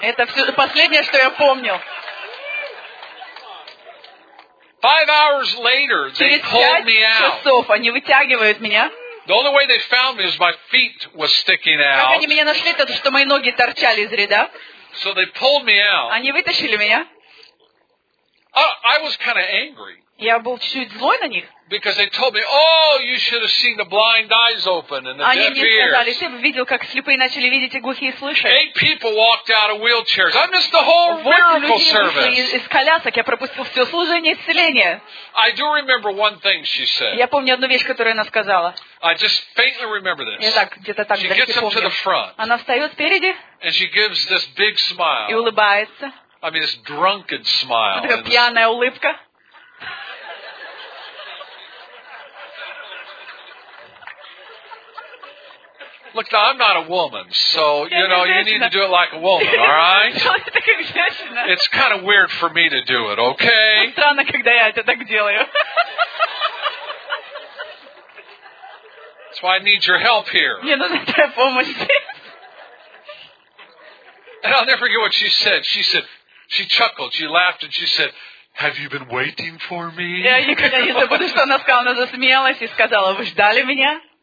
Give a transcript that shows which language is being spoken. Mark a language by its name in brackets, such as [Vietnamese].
[Russian] Это все последнее, что я помнил. [English] 5 hours later, they pulled me out. [Russian] Через 5 часов они вытягивают меня. [English] The only way they found me is my feet was sticking out. [Russian] Как они меня нашли, это то, что мои ноги торчали из ряда. [English] So they pulled me out. [Russian] Они вытащили меня. [English] I was kind of angry. [Russian] Я был чуть злой на них. [English] Because they told me, "Oh, you should have seen the blind eyes open and the [Russian] Они [English] deaf ears." [Russian] Они мне сказали, ты бы видел, как слепые начали видеть и глухие слышать. [English] 8 people walked out of wheelchairs. I missed the whole miracle service. [Russian] Вот люди вышли из колясок, я пропустил все служение исцеления. [English] I do remember one thing she said. [Russian] Я помню одну вещь, которую она сказала. [English] I just faintly remember this. [Russian] Я так где-то так далеко помню. [English] She gets up to the front. [Russian] Она встает впереди. [English] And she gives this big smile. [Russian] И улыбается. [English] I mean, this drunken smile. [Russian] Вот такая пьяная улыбка. [English] Look, now, I'm not a woman, so, you know, you need to do it like a woman, all right? It's kind of weird for me to do it, okay? [Russian] Странно, когда я это так делаю. [English] That's why I need your help here. [Russian] Мне нужна твоя помощь здесь. [English] And I'll never forget what she said. She said, she chuckled, she laughed, and she said, Have you been waiting for me? [Russian] Я никогда не забуду, что она сказала, она засмеялась и сказала: "Вы ждали меня?"